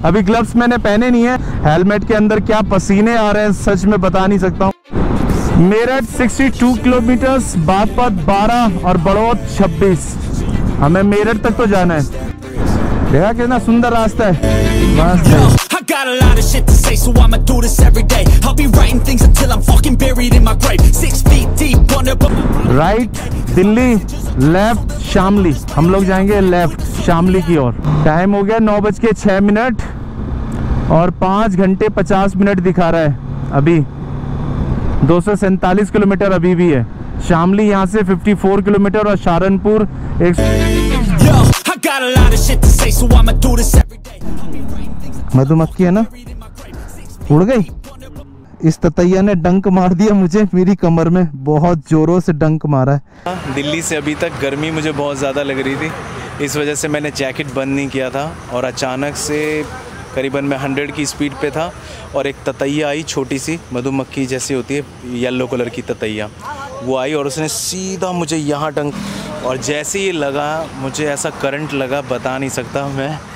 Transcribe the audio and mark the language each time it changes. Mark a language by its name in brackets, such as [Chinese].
[Hindi] अभी ग्लव्स मैंने पहने नहीं है, हेलमेट के अंदर क्या पसीने आ रहे हैं सच में बता नहीं सकता हूँ। मेरठ 62 किलोमीटर, बागपत 12 और बड़ौत 26, हमें मेरठ तक तो जाना है। देखा कितना सुंदर रास्ता है, मस्त है। [English] Got a lot of shit to say, so I'ma do this every day. I'll be writing things until I'm fucking buried in my grave. 6 feet deep, wonder, but right, Delhi, left, Shamli. [Hindi] हम लोग जाएंगे left, Shamli की ओर। Time हो गया 9:06 और 5:50 दिखा रहा है अभी। 247 किलोमीटर अभी भी है। Shamli यहाँ से 54 किलोमीटर और सहारनपुर एक। [English] Yo, I got a lot of shit to say, so I'ma do this every day. [Hindi] मधुमक्खी है ना, उड़ गई। इस ततैया ने डंक मार दिया मुझे मेरी कमर में, बहुत जोरों से डंक मारा है। दिल्ली से अभी तक गर्मी मुझे बहुत ज़्यादा लग रही थी, इस वजह से मैंने जैकेट बंद नहीं किया था। और अचानक से करीबन मैं 100 की स्पीड पे था और एक ततैया आई, छोटी सी मधुमक्खी जैसी होती है, येल्लो कलर की ततैया, वो आई और उसने सीधा मुझे यहाँ डंक, और जैसे ही लगा मुझे ऐसा करंट लगा बता नहीं सकता मैं।